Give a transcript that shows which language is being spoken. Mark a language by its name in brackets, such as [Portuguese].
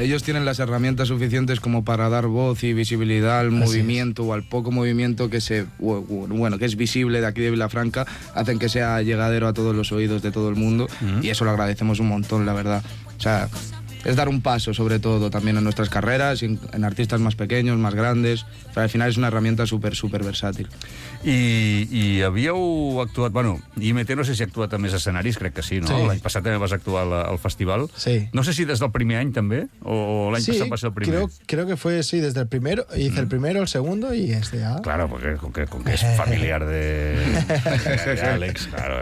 [Spanish] Ellos tienen las herramientas suficientes como para dar voz y visibilidad al movimiento o al poco movimiento que es visible de aquí de Vilafranca, hacen que sea llegadero a todos los oídos de todo el mundo. Y eso lo agradecemos un montón, la verdad. O sea, es dar un paso, sobre todo, también en nuestras carreras, en artistas más pequeños, más grandes. O sea, al final es una herramienta súper, súper versátil. [Catalan] I havíeu actuat... Bueno, IMT no sé si ha actuat a més escenaris, crec que sí, no? Sí. L'any passat també vas actuar al festival. Sí. No sé si des del primer any, també, o l'any passat va ser el primer. [Spanish] Sí, creo que fue, sí, desde el primero. Hice el primero, el segundo y este ya. Claro, porque con que es familiar de Àlex, claro.